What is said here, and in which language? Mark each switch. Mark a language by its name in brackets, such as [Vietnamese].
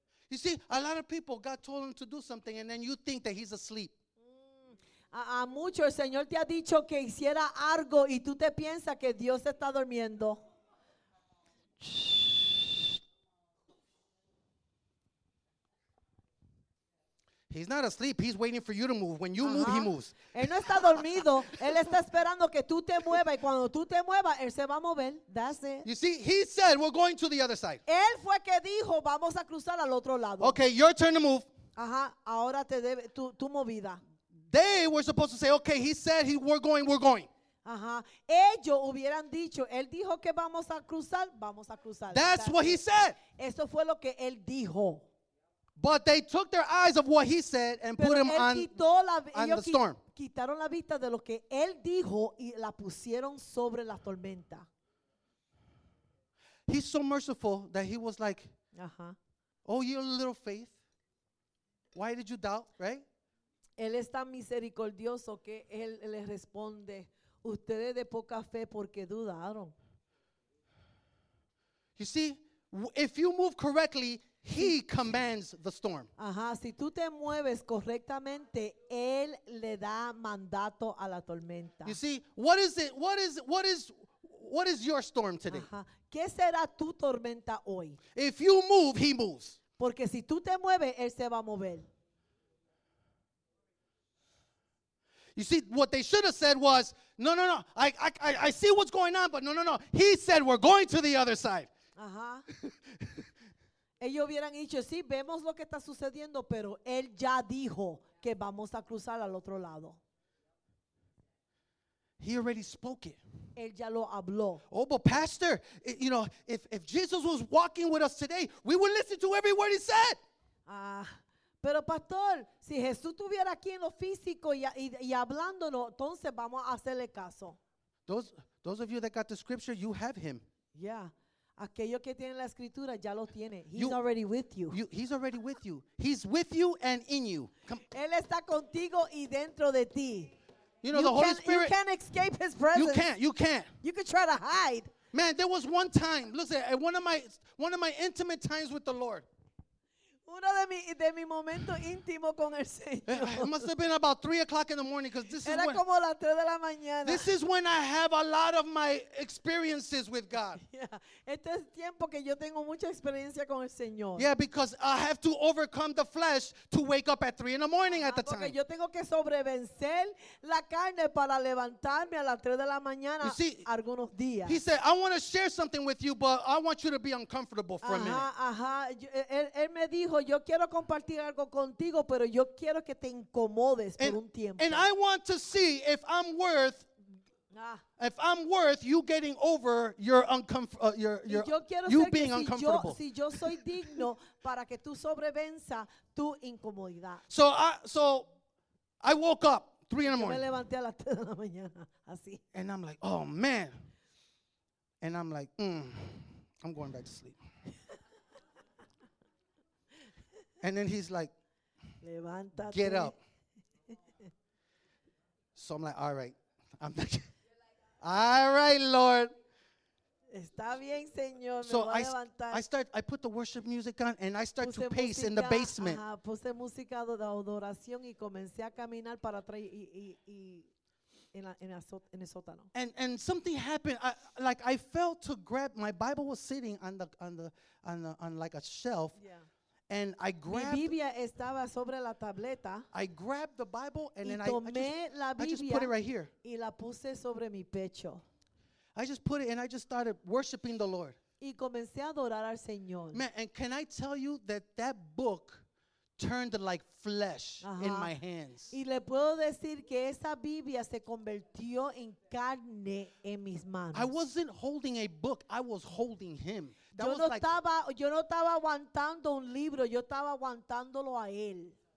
[English] You see, a lot of people, God told them to do something and then you think that he's asleep. [Spanish] A muchos, el Señor te ha dicho que hiciera algo y tú te piensas que Dios está durmiendo. Shh. [English] He's not asleep. He's waiting for you to move. When you move, he moves. [Spanish] Él no está dormido. Él está esperando que tú te muevas. Y cuando tú te muevas, él se va a mover. [English] That's it. You see, he said, we're going to the other side. [Spanish] Él fue que dijo, vamos a cruzar al otro lado. [English] Okay, your turn to move. [Spanish] Ajá, ahora te debe tu movida. [English] They were supposed to say, okay, he said, we're going, we're going. [Spanish] Ajá, ellos hubieran dicho, él dijo que vamos a cruzar, vamos a cruzar. [English] That's what he said. [Spanish] Eso fue lo que él dijo. [English] But they took their eyes of what he said and put him on the storm. [Spanish] Quitaron la vista de lo que él dijo y la pusieron sobre la tormenta. [English] He's so merciful that he was like, oh, you have a little faith. Why did you doubt, right? [Spanish] Él es tan misericordioso que él le responde, ustedes de poca fe porque dudaron. [English] You see, if you move correctly, he commands the storm. [Spanish] Ajá, si tú te mueves correctamente, él le da mandato a la tormenta. [English] You see, what is it? What is your storm today? [Spanish] Ajá. ¿Qué será tu tormenta hoy? [English] If you move, he moves. [Spanish] Porque si tú te mueves, él se va a mover. [English] You see, what they should have said was, no, I see what's going on, but no. He said we're going to the other side. Ajá. [Spanish] Ellos hubieran dicho, sí, vemos lo que está sucediendo, pero él ya dijo que vamos a cruzar al otro lado. [English] He already spoke it. [Spanish] Él ya lo habló. [English] Oh, but pastor, you know, if Jesus was walking with us today, we would listen to every word he said. [Spanish] Pero pastor, si Jesús estuviera aquí en lo físico y hablándonos, entonces vamos a hacerle caso. [English] Those of you that got the scripture, you have him. Yeah. [Spanish] Aquellos que tienen la escritura ya lo tiene. [English] He's already with you. He's with you and in you. Él está contigo y dentro de ti. You know, the Holy Spirit. You can't escape his presence. You can't. You can try to hide. Man, there was one time. Listen, one of my intimate times with the Lord. [Spanish] Uno de mi momento íntimo con el Señor. [English] It must have been about 3:00 in the morning because this [Spanish] era [English] is when. [Spanish] Como la 3 de la mañana. [English] This is when I have a lot of my experiences with God. [Spanish] Yeah, este es tiempo que yo tengo mucha experiencia con el Señor. [English] Yeah, because I have to overcome the flesh to wake up at 3 in the morning at the [Spanish] porque Porque yo tengo que sobrevencer la carne para levantarme a las 3 de la mañana. [English] You see, [Spanish] algunos días. [English] He said, "I want to share something with you, but I want you to be uncomfortable for a minute." [Spanish] Ajá, él me dijo. Yo quiero compartir algo contigo, pero yo quiero que te incomodes por un tiempo. [English] And I want to see if I'm worth you getting over your uncomfortable. [Spanish] Si yo soy digno para que tú sobrevenza tu incomodidad. [English] So I woke up 3 in the morning. [Spanish] Me levanté a las 3 de la mañana, así. [English] And I'm like, oh man. And I'm like, I'm going back to sleep. And then he's like, [Spanish] levántate. [English] Get up. So I'm like, all right. I'm like, all right, Lord. [Spanish] Está bien, Señor. [English] So [Spanish] me voy a levantar. [English] I put the worship music on and I start to pace in the basement. [Spanish] Puse música de adoración y comencé a caminar para atrás y en el sótano. [English] And something happened. I felt to grab my Bible was sitting on a shelf. Yeah. And I grabbed. [Spanish] Mi Biblia estaba sobre la tableta. [English] I grabbed the Bible and then I just put it right here. [Spanish] Y la puse sobre mi pecho. [English] I just put it and I just started worshiping the Lord. [Spanish] Y comencé a adorar al Señor. [English] Man, and can I tell you that book turned like flesh in my hands. [Spanish] Y le puedo decir que esa Biblia se convirtió en carne en mis manos. [English] I wasn't holding a book. I was holding him. [Spanish] Yo no estaba aguantando un libro, yo estaba aguantándolo a él.